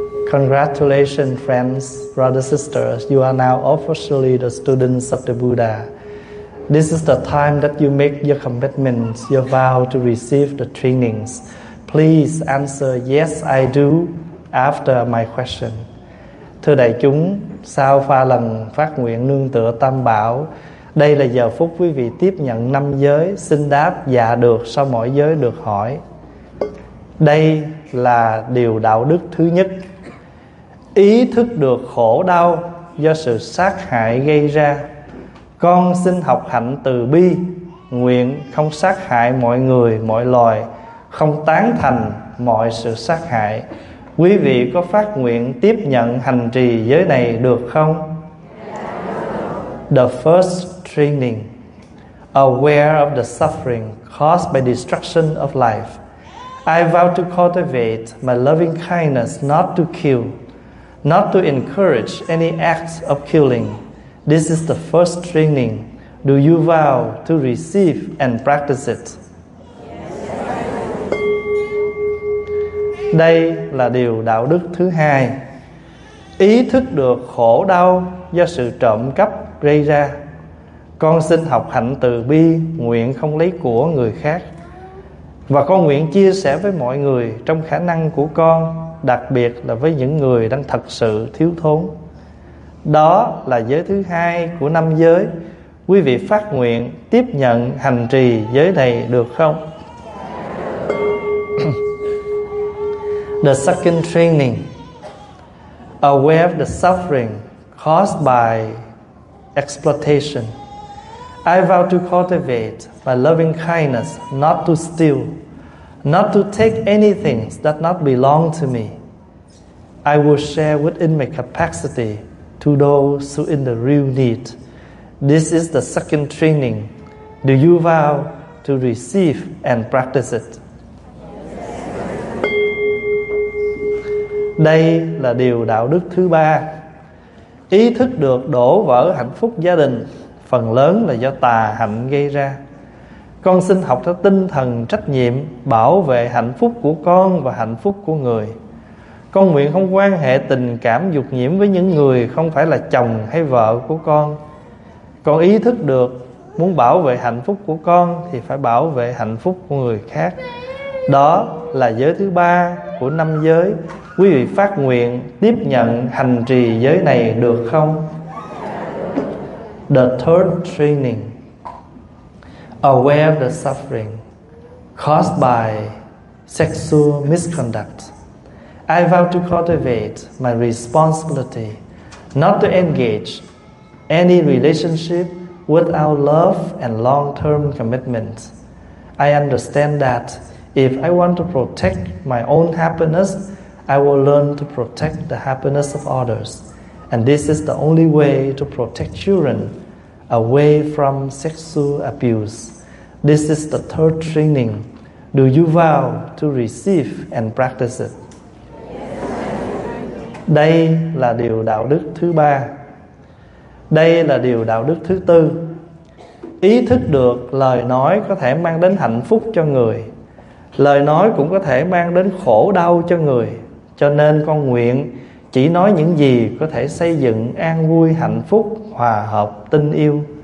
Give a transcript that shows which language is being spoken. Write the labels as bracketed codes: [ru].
[en] Congratulations, friends, brothers, sisters. You are now officially the students of the Buddha. This is the time that you make your commitments, your vow to receive the trainings. Please answer, yes, I do, after my question. [vi] Thưa đại chúng, sau pha lần phát nguyện nương tựa Tam Bảo, đây là giờ phút quý vị tiếp nhận năm giới, xin đáp dạ được sau mỗi giới được hỏi. Đây là điều đạo đức thứ nhất. ý thức được khổ đau do sự sát hại gây ra. Con xin học hạnh từ bi, nguyện không sát hại mọi người, mọi loài, không tán thành mọi sự sát hại. Quý vị có phát nguyện tiếp nhận hành trì giới này được không? [en] The first training: aware of the suffering caused by destruction of life, I vow to cultivate my loving kindness, not to kill, not to encourage any acts of killing. This is the first training. Do you vow to receive and practice it? [vi] Đây là điều đạo đức thứ hai. Ý thức được khổ đau do sự trộm cắp gây ra. Con xin học hạnh từ bi, nguyện không lấy của người khác. Và con nguyện chia sẻ với mọi người trong khả năng của con, đặc biệt là với những người đang thật sự thiếu thốn. Đó là giới thứ hai của năm giới. Quý vị phát nguyện tiếp nhận hành trì giới này được không? [en] The second training: aware of the suffering caused by exploitation, I vow to cultivate my loving kindness, not to steal, not to take anything that not belong to me. I will share within my capacity to those who in the real need. This is the second training. Do you vow to receive and practice it? [vi] Đây là điều đạo đức thứ ba. Ý thức được đổ vỡ hạnh phúc gia đình phần lớn là do tà hạnh gây ra. Con xin học theo tinh thần trách nhiệm bảo vệ hạnh phúc của con và hạnh phúc của người. Con nguyện không quan hệ tình cảm dục nhiễm với những người không phải là chồng hay vợ của con. Con ý thức được muốn bảo vệ hạnh phúc của con thì phải bảo vệ hạnh phúc của người khác. Đó là giới thứ ba của năm giới. Quý vị phát nguyện tiếp nhận hành trì giới này được không? [en] The third training: aware of the suffering caused by sexual misconduct, I vow to cultivate my responsibility not to engage any relationship without love and long-term commitment. I understand that if I want to protect my own happiness, I will learn to protect the happiness of others. And this is the only way to protect children away from sexual abuse. This is the third training. Do you vow to receive and practice it? [vi] Đây là điều đạo đức thứ ba. Đây là điều đạo đức thứ tư. Ý thức được lời nói có thể mang đến hạnh phúc cho người, lời nói cũng có thể mang đến khổ đau cho người. Cho nên con nguyện chỉ nói những gì có thể xây dựng an vui, hạnh phúc, hòa hợp, tình yêu.